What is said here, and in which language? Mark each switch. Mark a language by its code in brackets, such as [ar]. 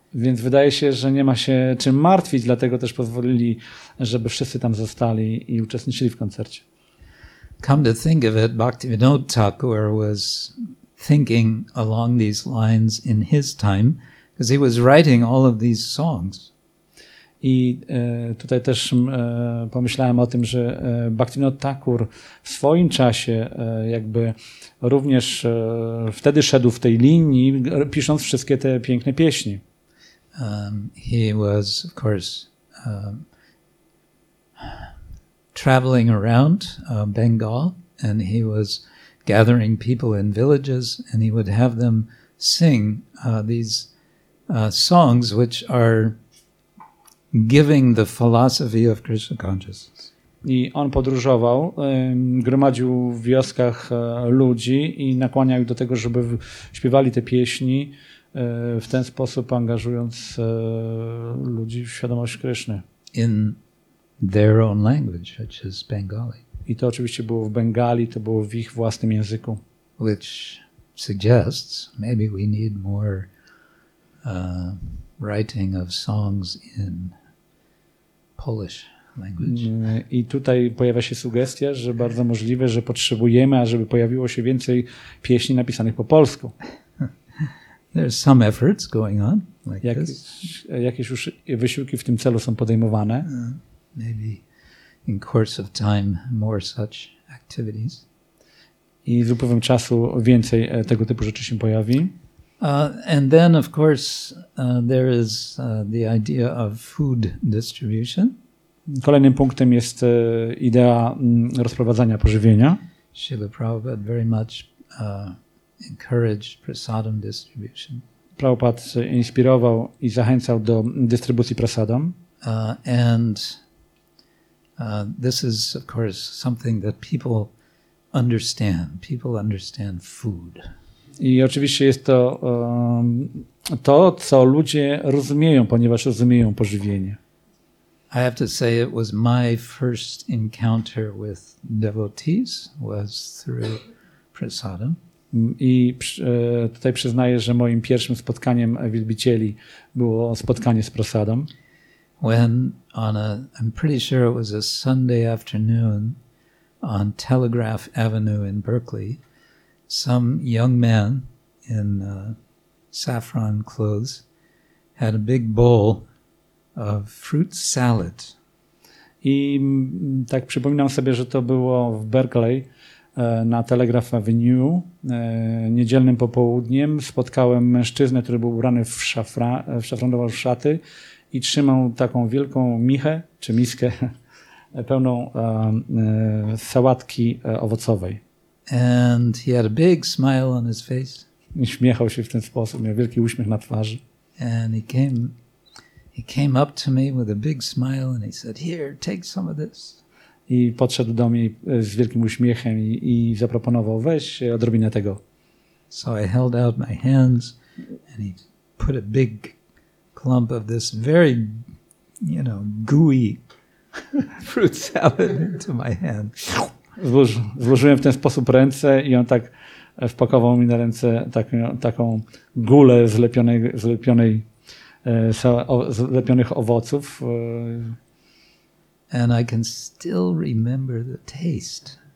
[pl] Więc wydaje się, że nie ma się czym martwić, dlatego też pozwolili, żeby wszyscy tam zostali i uczestniczyli w koncercie. [en] Come to think of it, Bhaktivinoda Thakur was thinking along these lines in his time, because he was writing all of these songs. [pl] I tutaj też pomyślałem o tym, że Bhaktivinoda Thakur w swoim czasie jakby również wtedy szedł w tej linii, pisząc wszystkie te piękne pieśni. [en] He was, of course, traveling around Bengal, and he was gathering people in villages, and he would have them sing these songs, which are giving the philosophy of Krishna consciousness. [pl] I on podróżował, gromadził w wioskach ludzi i nakłaniał ich do tego, żeby śpiewali te pieśni w ten sposób, angażując ludzi w świadomość Kryszny. [en] In their own language, which is Bengali. [pl] I to oczywiście było w Bengali, to było w ich własnym języku. [en] Which suggests maybe we need more writing of songs in Polish language. [pl] I tutaj pojawia się sugestia, że bardzo możliwe, że potrzebujemy, ażeby pojawiło się więcej pieśni napisanych po polsku. [en] There's some efforts going on like [pl] Jakieś już wysiłki w tym celu są podejmowane. [en] Maybe in course of time more such activities. [pl] I z upływem czasu więcej tego typu rzeczy się pojawi. [en] And then of course there is the idea of food distribution. [pl] Kolejnym punktem jest idea rozprowadzania pożywienia. [en] Śrila Prabhupada very much encourage prasadam distribution. [pl] Prabhupada inspirował i zachęcał do dystrybucji prasadam. [en] This is of course something that people understand. People understand food. [pl] I oczywiście jest to to, co ludzie rozumieją, ponieważ rozumieją pożywienie. [en] I have to say it was my first encounter with devotees was through prasadam. [pl] I tutaj przyznaję, że moim pierwszym spotkaniem wielbicieli było spotkanie z prasadam. [en] When on a, I'm pretty sure it was a Sunday afternoon on Telegraph Avenue in Berkeley, some young man in saffron clothes had a big bowl of fruit salad. [pl] I tak przypominam sobie, że to było w Berkeley na Telegraph Avenue niedzielnym popołudniem. Spotkałem mężczyznę, który był ubrany w szafranową szaty i trzymał taką wielką michę czy miskę pełną sałatki owocowej. [en] And he had a big smile on his face. [pl] I śmiechał się w ten sposób, miał wielki uśmiech na twarzy. [en] And he came up to me with a big smile and he said, "Here, take some of this." [pl] I podszedł do mnie z wielkim uśmiechem i zaproponował, weź odrobinę tego. [en] So I held out my hands and he put a big clump of this very, you know, gooey fruit salad into my hand. [pl] Złożyłem w ten sposób ręce i on tak wpakował mi na ręce taką gulę zlepionych owoców. [en] And I can still remember the taste.